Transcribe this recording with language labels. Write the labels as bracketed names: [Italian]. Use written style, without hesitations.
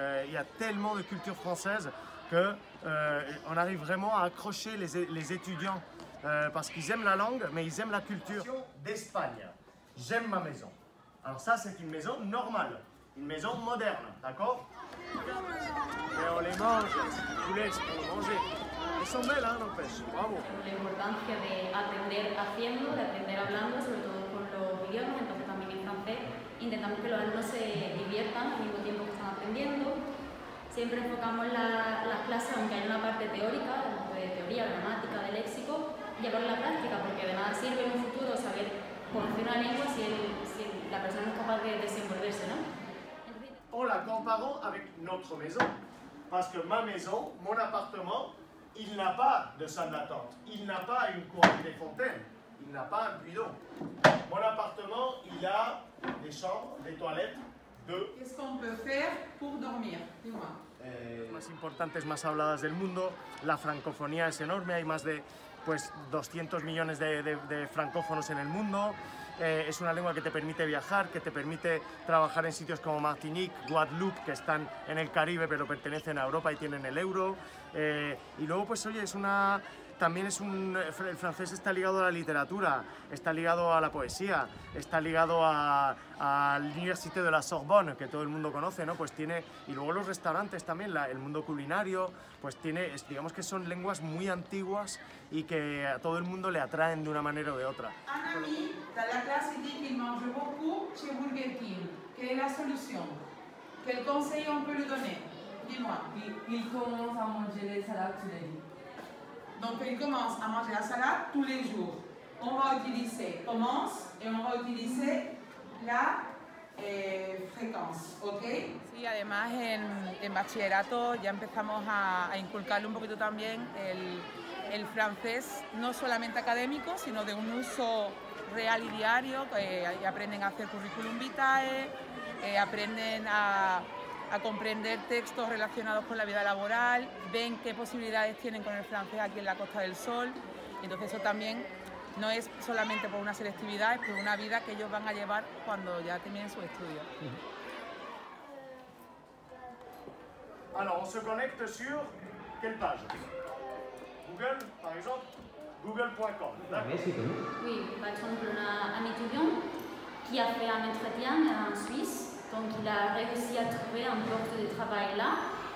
[French] Il y a tellement de culture française qu'on arrive vraiment à accrocher les étudiants parce qu'ils aiment la langue, mais ils aiment la culture. D'Espagne, j'aime ma maison. Alors ça, c'est une maison normale, une maison moderne, d'accord? Et on les mange, vous les pour les manger. Elles sont belles, hein, n'empêche. Bravo. L'importance de apprendre [Spanish] haciendo, [French] de apprendre [Spanish] hablando, sobre todo con los idiomas, entonces también en francés, intentamos que los alumnos se diviertan al mismo tiempo que están aprendiendo. Siempre enfocamos las clases, aunque hay una parte teórica, de teoría, gramática, de léxico, llevarlo a la práctica, porque de nada sirve en un futuro saber conocer una lengua si la persona no es capaz de desenvolverse, ¿no? [French] On la comparó avec notre maison, parce que ma maison, mon appartement, il n'a pas de salle d'attente, il n'a pas une cour avec des fontaines, il n'a pas un buidon. Mon appartement, il a des chambres, des toilettes, deux. Qu'est-ce qu'on peut faire pour dormir? Dis-moi. [Spanish] Más importantes, más habladas del mundo, la francofonía es enorme, hay más de pues, 200 millones de francófonos en el mundo, es una lengua que te permite viajar, que te permite trabajar en sitios como Martinique, Guadeloupe, que están en el Caribe pero pertenecen a Europa y tienen el euro, y luego pues oye, el francés está ligado a la literatura, está ligado a la poesía, está ligado a l'Université de la Sorbonne, que todo el mundo conoce, ¿no? Pues tiene, y luego los restaurantes también, el mundo culinario, pues tiene, digamos que son lenguas muy antiguas y que a todo el mundo le atraen de una manera o de otra. [French] Un ami de la [Spanish] clase dice que [French] mange beaucoup chez Burger King. [Spanish] ¿Qué es la solución? ¿Qué consejo [French] on peut lui donner? Dis-moi. Il commence à manger les salades, tu l'as dit. Donc il commence à manger la salade tous les jours. On va utiliser « commence » et on va utiliser la fréquence, ok? [Spanish] Y además en bachillerato ya empezamos a inculcarle un poquito también el francés, no solamente académico, sino de un uso real y diario. Aprenden a hacer currículum vitae, aprenden a comprender textos relacionados con la vida laboral, ven qué posibilidades tienen con el francés aquí en la Costa del Sol. Entonces eso también no es solamente por una selectividad, es por una vida que ellos van a llevar cuando ya terminen sus estudios. [French] Alors, on se connecte sur quelle page? Google, par exemple, google.com. Oui, par exemple, on a un étudiant qui a fait un entretien en Suisse, donc il a réussi à trouver un poste de travail là.